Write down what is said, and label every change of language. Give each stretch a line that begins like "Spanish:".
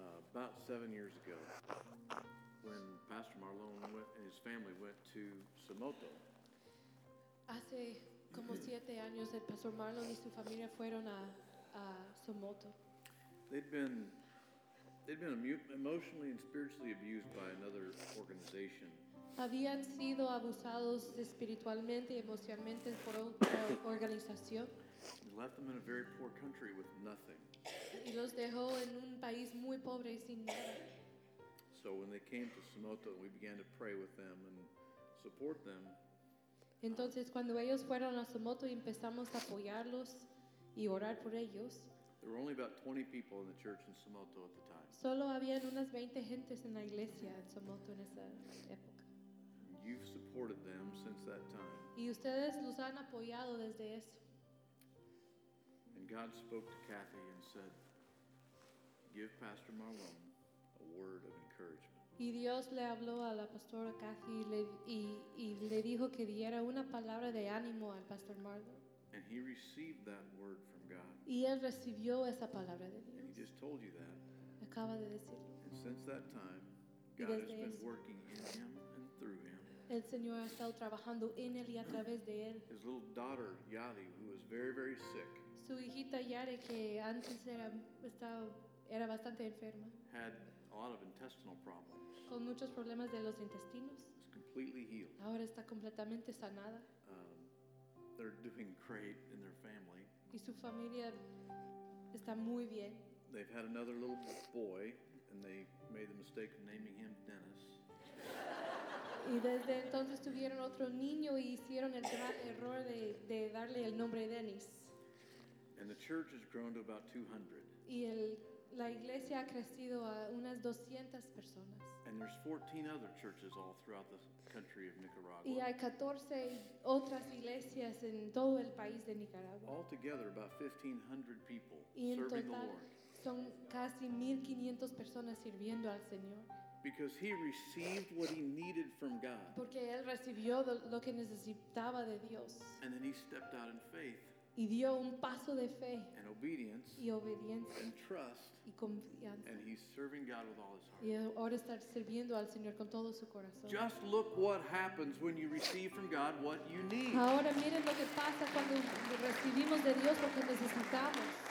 English: About 7 years ago, when Pastor Marlon went and his family went to Somoto.
Spanish: Hace como siete años, el Pastor Marlon y su familia fueron a Somoto.
English: They'd been emotionally and spiritually abused by another organization.
Spanish: Habían sido abusados espiritualmente y emocionalmente por otra organización.
English: They left them in a very poor country with nothing.
Spanish: Y los dejó en un país muy pobre sin nada.
English: So when they came to Somoto, we began to pray with them and support them.
Spanish: Entonces cuando ellos fueron a Somoto y empezamos a apoyarlos y orar por ellos.
English: There were only about 20 people in the church in Somoto at the time.
Spanish: Solo habían unas 20 gentes en la iglesia en Somoto en esa época.
English: You've supported them since that time.
Spanish: Y ustedes los han apoyado desde eso.
English: And God spoke to Kathy and said, give Pastor Marlon a word of encouragement.
Spanish: Y Dios le habló a la pastora Kathy y le dijo que diera una palabra de ánimo al Pastor Marlon.
English: And he received that word from God.
Spanish: Y él recibió esa palabra de Dios.
English: And he just told you that.
Spanish: Acaba de decirlo.
English: And since that time, God has been working in him and through him.
Spanish: El Señor ha estado trabajando en él y a través de él.
English: His little daughter, Yadi, who was very, very sick.
Spanish: Su hijita Yare, que antes era bastante enferma.
English: Had a lot of intestinal problems.
Spanish: Con muchos problemas de los intestinos.
English: It's completely healed.
Spanish: Ahora está completamente sanada.
English: They're doing great in their family.
Spanish: Y su familia está muy bien.
English: They've had another little boy, and they made the mistake of naming him Dennis.
Spanish: Y desde entonces tuvieron otro niño y hicieron el gran error de darle el nombre Dennis.
English: And the church has grown to about 200.
Spanish: Y la iglesia ha crecido a unas 200 personas.
English: And there's 14 other churches all throughout the country of Nicaragua.
Spanish: Y hay 14 otras iglesias en todo el país de Nicaragua.
English: All together about 1,500 people
Spanish: y
English: serving total, the Lord.
Spanish: Son casi 1,500 personas sirviendo al Señor.
English: Because he received what he needed from God.
Spanish: Porque él recibió lo que necesitaba de Dios.
English: And then he stepped out in faith.
Spanish: Y dio un paso de fe.
English: And obedience.
Spanish: Y obediencia.
English: And trust.
Spanish: Y confianza.
English: And he's serving God with all his heart.
Spanish: Y ahora está sirviendo al Señor con todo su corazón.
English: Just look what happens when you receive from God what you need.
Spanish: Ahora miren lo que pasa cuando recibimos de Dios lo que necesitamos.